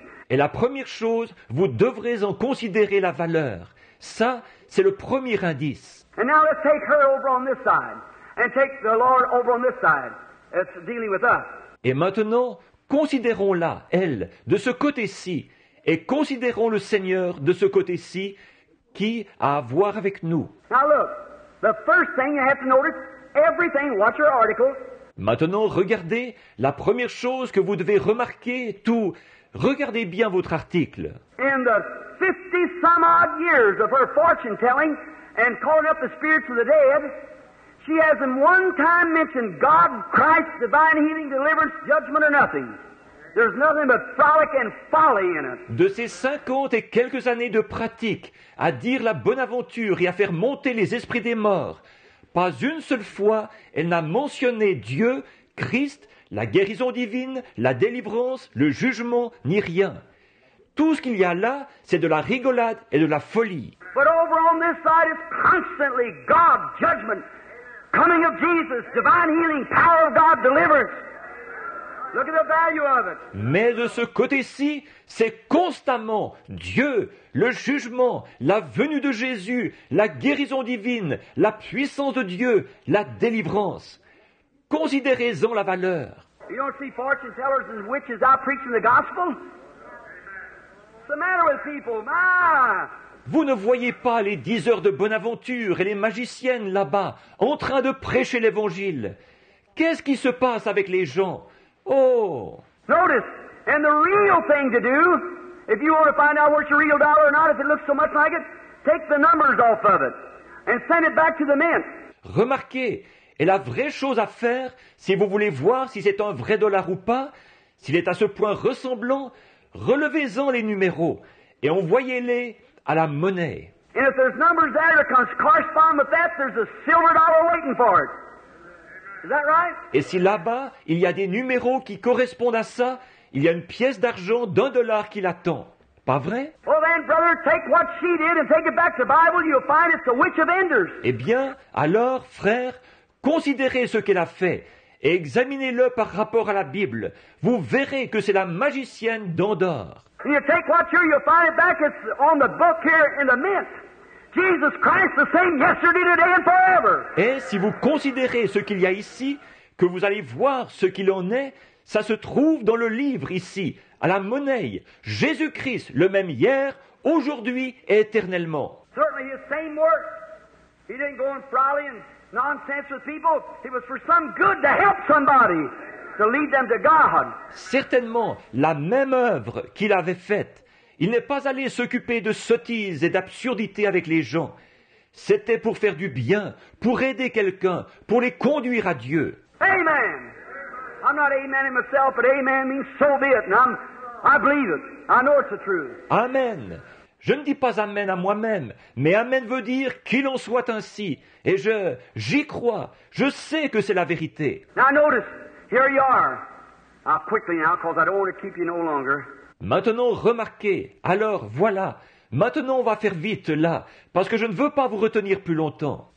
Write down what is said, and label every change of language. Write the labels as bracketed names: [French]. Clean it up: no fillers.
[French] Et la première chose, vous devrez en considérer la valeur. Ça, c'est le premier indice. [English] And now let's take her over on this side and take the Lord over on this side. It's dealing with us. [French] Et maintenant, considérons-la, elle, de ce côté-ci, et considérons le Seigneur de ce côté-ci, qui a à voir avec nous. [English] Now look. The first thing you have to notice everything. Watch your article. [French] Maintenant, regardez la première chose que vous devez remarquer, tout. Regardez bien votre article. [English] In the 50-some-odd years of her fortune-telling and calling up the spirits of the dead, she hasn't one time mentioned God, Christ, divine healing, deliverance, judgment, or nothing. There's nothing but frolic and folly in it. [French] De ses 50 et quelques années de pratique à dire la bonne aventure et à faire monter les esprits des morts, pas une seule fois, elle n'a mentionné Dieu, Christ, la guérison divine, la délivrance, le jugement, ni rien. Tout ce qu'il y a là, c'est de la rigolade et de la folie. [English] But over on this side is constantly God, judgment, coming of Jesus, divine healing, power of God, deliverance. Look at the value of it. [French] Mais de ce côté-ci, c'est constamment Dieu, le jugement, la venue de Jésus, la guérison divine, la puissance de Dieu, la délivrance. Considérez-en la valeur. [English] You don't see fortune tellers and witches out preaching the gospel? What's the matter with people? [French] Vous ne voyez pas les diseurs de bonne aventure et les magiciennes là-bas en train de prêcher l'évangile? Qu'est-ce qui se passe avec les gens? Oh! [English] Notice, and the real thing to do, if you want to find out what's your real dollar or not, if it looks so much like it, take the numbers off of it and send it back to the mint. [French] Remarquez, et la vraie chose à faire, si vous voulez voir si c'est un vrai dollar ou pas, s'il est à ce point ressemblant, relevez-en les numéros et envoyez-les à la monnaie. [English] And if there's numbers there that correspond with that, there's a silver dollar waiting for it. Is that right? [French] Et si là-bas, il y a des numéros qui correspondent à ça, il y a une pièce d'argent d'un dollar qui l'attend. Pas vrai? [English] Well then, brother, take what she did and take it back to the Bible, you'll find it's the witch of Enders. [French] Eh bien, alors, frère, considérez ce qu'elle a fait et examinez-le par rapport à la Bible. Vous verrez que c'est la magicienne d'Endor. [English] You take what you'll find it back, it's on the book here in the mint. Jesus Christ, the same yesterday, today, and forever. [French] Et si vous considérez ce qu'il y a ici, que vous allez voir ce qu'il en est, ça se trouve dans le livre ici, à la monnaie. Jésus-Christ, le même hier, aujourd'hui et éternellement. [English] Certainly his same work. He didn't go and frolic and nonsense with people. It was for some good to help somebody, to lead them to God. [French] Certainement la même œuvre qu'il avait faite. Il n'est pas allé s'occuper de sottises et d'absurdités avec les gens. C'était pour faire du bien, pour aider quelqu'un, pour les conduire à Dieu. [English] Amen. I'm not amen myself, but amen means so be it. And I believe it. I know it's the truth. Amen. [French] Je ne dis pas amen à moi-même, mais amen veut dire qu'il en soit ainsi. Et j'y crois. Je sais que c'est la vérité. [English] Now notice, here you are. I'll quickly now, because I don't want to keep you no longer. [French] Maintenant, remarquez, alors voilà, maintenant on va faire vite là, parce que je ne veux pas vous retenir plus longtemps.